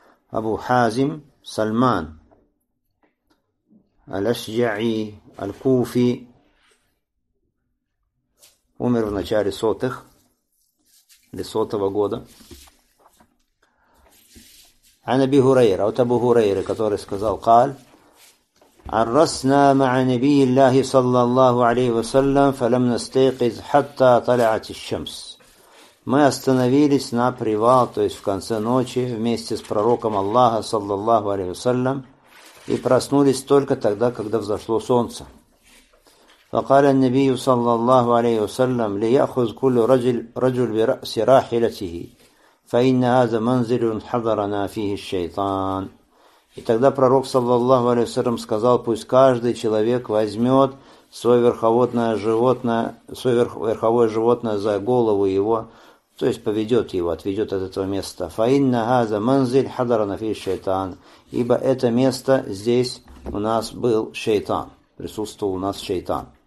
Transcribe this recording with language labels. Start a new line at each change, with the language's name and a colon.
Russian: Абу Хазим Сальман. Аль-Ашджаи, Аль-Куфи. Умер в начале сотых, или сотого года. Ан-Аби Хурайра, вот Абу Хурайра, который сказал, каль.
Arabic: عرسنا مع نبي الله صلى الله عليه وسلم فلم نستيقظ حتى طلعت الشمس.
Russian: Мы остановились на привал, то есть в конце ночи, вместе с пророком Аллаха,
Arabic: صلى الله عليه وسلم,
Russian: и проснулись только тогда, когда взошло солнце.
Arabic: وقال النبي صلى الله عليه وسلم ليأخذ كل رجل برأس راحلته فإن هذا منزل حضرنا فيه الشيطان.
Russian: И тогда пророк, саллаллаху алейхи ва саллям, сказал, пусть каждый человек возьмет свое верховодное животное, свое верховое животное за голову его, то есть поведет его, отведет от этого места.
Arabic: «Фаинна газа манзиль хадарана фи шайтан».
Russian: Ибо это место здесь у нас был шайтан, присутствовал у нас шайтан.